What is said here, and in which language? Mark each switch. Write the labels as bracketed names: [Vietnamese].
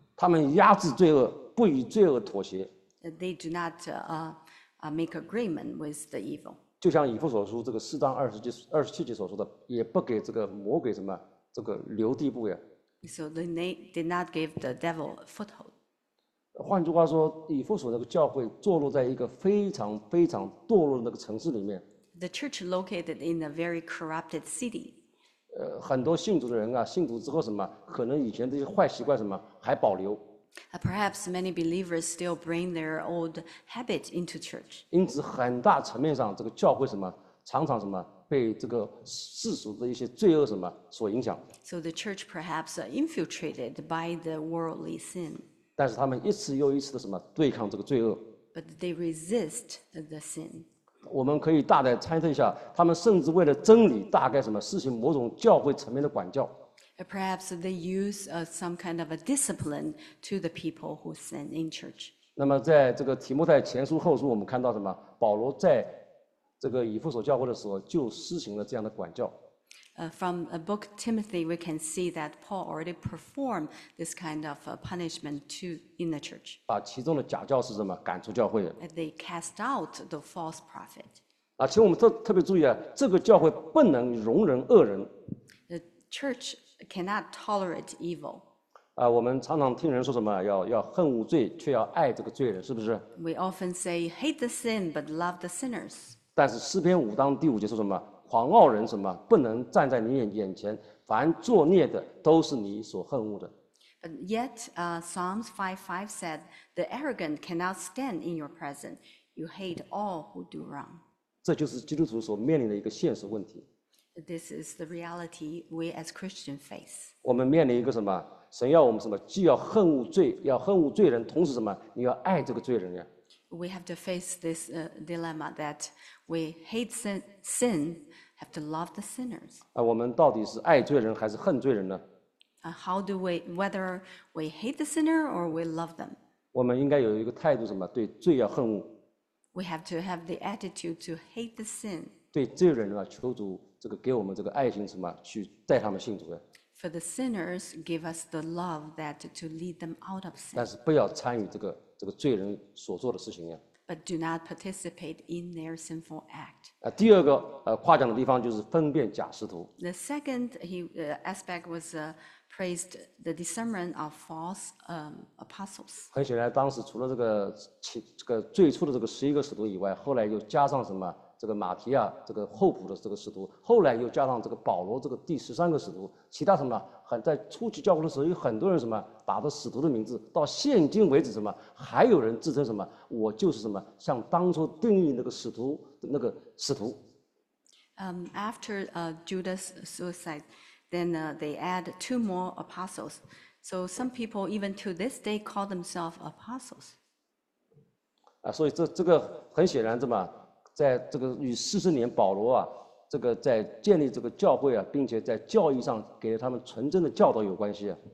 [Chinese] 他们压制罪恶，不与罪恶妥协。 [English] They do not make agreement with the evil. [Chinese] 就像以弗所书这个四章二十七节所说的，也不给这个魔鬼什么这个留地步呀。 [English] So they did not give the devil a foothold. [Chinese] 换句话说，以弗所那个教会坐落在一个非常非常堕落的那个城市里面。 [English] The church located in a very corrupted city. [Chinese] 很多信主的人啊，信主之后什么，可能以前这些坏习惯什么还保留。 [English] Perhaps many believers still bring their old habits into church. [Chinese] 因此，很大层面上，这个教会什么，常常什么被这个世俗的一些罪恶什么所影响。 [English] So the church perhaps infiltrated by the worldly sin. [Chinese] 但是他们一次又一次的什么对抗这个罪恶。 [English] But they resist the sin. [Chinese] 我们可以大胆猜测一下，他们甚至为了真理，大概什么实行某种教会层面的管教。 [English] Perhaps they use some kind of a discipline to the people who sin in church. [Chinese] 那么，在这个提摩太前书后书，我们看到什么？保罗在这个以弗所教会的时候，就施行了这样的管教。 [English] From a book Timothy, we can see that Paul already performed this kind of punishment to in the church. [Chinese] 把其中的假教师什么赶出教会 [English] ？They cast out the false prophet. [Chinese] 啊，请我们特别注意啊，这个教会不能容忍恶人。 [English] The church cannot tolerate evil. [Chinese] 啊，我们常常听人说什么要恨恶罪，却要爱这个罪人，是不是 [English] ？We often say hate the sin but love the sinners. [Chinese] 但是诗篇五章第五节说什么？狂傲人什么不能站在你眼前，凡作孽的都是你所恨恶的。 [English] Yet, Psalms 5:5 said, "The arrogant cannot stand in your presence. You hate all who do wrong." [Chinese] 这就是基督徒所面临的一个现实问题。 [English] This is the reality we as Christians face. [Chinese] 我们面临一个什么？神要我们什么？既要恨恶罪，要恨恶罪人，同时什么？你要爱这个罪人呀。 [English] We have to face this dilemma that we hate sin. Have to love the sinners. [Chinese] 我们到底是爱罪人还是恨罪人呢？ [English] How do we whether we hate the sinner or we love them? [Chinese] 我们应该有一个态度，什么对罪要恨恶。 [English] We have to have the attitude to hate the sin. [Chinese] 对罪人呢，求主这个给我们这个爱心，什么去带他们信主呀？ [English] For the sinners, give us the love that to lead them out of sin. [Chinese] 但是不要参与这个罪人所做的事情呀。 [English] But do not participate in their sinful act. [Chinese] 第二个夸奖的地方就是分辨假师徒。 [English] The second aspect was praised the discernment of false apostles. [Chinese] 很显然，当时除了这个最初的这个十一个使徒以外，后来又加上什么这个马提亚这个后补的这个使徒，后来又加上这个保罗这个第十三个使徒，其他什么在初期教会的时候，有很多人什么打着使徒的名字，到现今为止什么还有人自称什么我就是什么像当初定义那个使徒的那个使徒。 [English] After Judas suicide, then they add two more apostles. So some people even to this day call themselves apostles. [Chinese] 所以这个很显然，这么在这个与四十年保罗啊。这个在建立这个教会啊，并且在教义上给了他们纯正的教导有关系。